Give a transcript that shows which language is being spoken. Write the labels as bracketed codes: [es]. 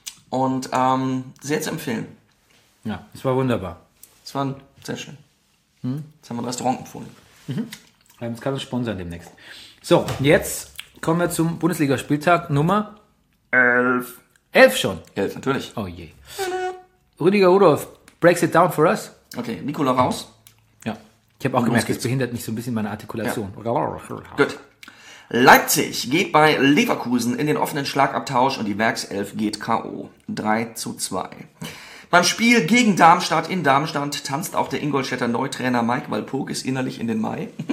[de] Und sehr zu empfehlen. Ja, es war wunderbar. Es war sehr schön. Jetzt haben wir ein Restaurant empfohlen. Das kann uns sponsern demnächst. So, jetzt kommen wir zum Bundesligaspieltag Nummer 11. 11 schon? 11, natürlich. Oh je. [en] Rüdiger Rudolf, breaks it down for us. [de] Okay, Nicola raus. Ja, ich habe auch gemerkt, das behindert mich so ein bisschen meine Artikulation. Ja. Gut. Leipzig geht bei Leverkusen in den offenen Schlagabtausch und die Werkself geht K.O. 3:2. Beim Spiel gegen Darmstadt in Darmstadt tanzt auch der Ingolstädter Neutrainer Mike Walpurgis innerlich in den Mai.